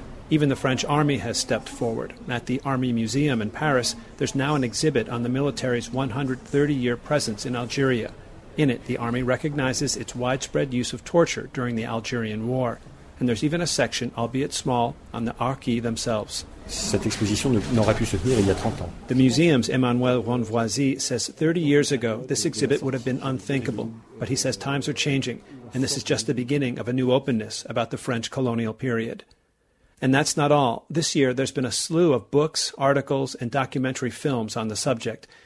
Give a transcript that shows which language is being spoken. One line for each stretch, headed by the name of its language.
English: Even the French army has stepped forward. At the Army Museum in Paris, there's now an exhibit on the military's 130-year presence in Algeria. In it, the army recognizes its widespread use of torture during the Algerian War. And there's even a section, albeit small, on the Arki themselves.
French: Cette exposition n'aurait pu se tenir il y a 30 ans.
English: The museum's Emmanuel Renvoisy says 30 years ago, this exhibit would have been unthinkable. But he says times are changing, and this is just the beginning of a new openness about the French colonial period. And that's not all. This year, there's been a slew of books, articles, and documentary films on the subject.